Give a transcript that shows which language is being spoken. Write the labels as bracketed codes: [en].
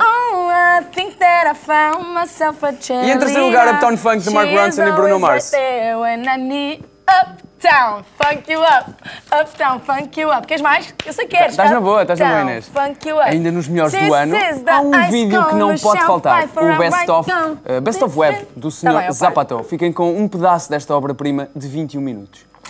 [en] Oh, I think that I found myself a cheerleader. [pt] E em terceiro lugar, Uptown Funk, de Mark Ronson e Bruno Mars. [en] She's always right there when I need Uptown, funk you up. Uptown, funk you up. [pt] Queres mais? Eu sei que queres. Estás na boa, estás na boa, Inês. [en] Funk you up. [pt] Ainda nos melhores do ano, há um vídeo que não pode faltar. O Best of Web, do Sr. Zapato. Fiquem com um pedaço desta obra-prima de 21 minutos.